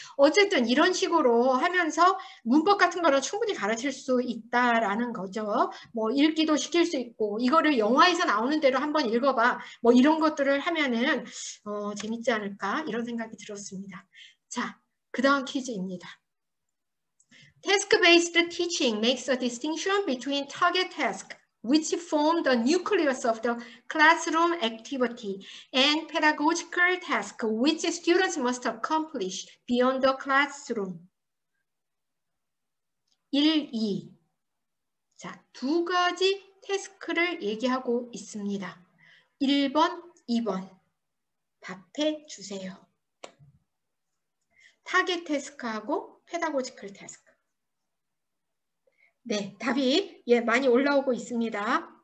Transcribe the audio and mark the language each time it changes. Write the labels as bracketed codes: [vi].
[ko] 어쨌든 이런 식으로 하면서 문법 같은 거는 충분히 가르칠 수 있다라는 거죠. 뭐 읽기도 시킬 수 있고, 이거를 영화에서 나오는 대로 한번 읽어봐. 뭐 이런 것들을 하면은 재밌지 않을까? 이런 생각이 들었습니다. 자, 그다음 퀴즈입니다. [en] Task based teaching makes a distinction between target task, which form the nucleus of the classroom activity, and pedagogical task, which students must accomplish beyond the classroom. [ko] 1, 2. 자, 두 가지 태스크를 얘기하고 있습니다. 1번, 2번. 답해 주세요. 타겟 태스크하고 페다고지컬 태스크. 네, 답이 예 많이 올라오고 있습니다.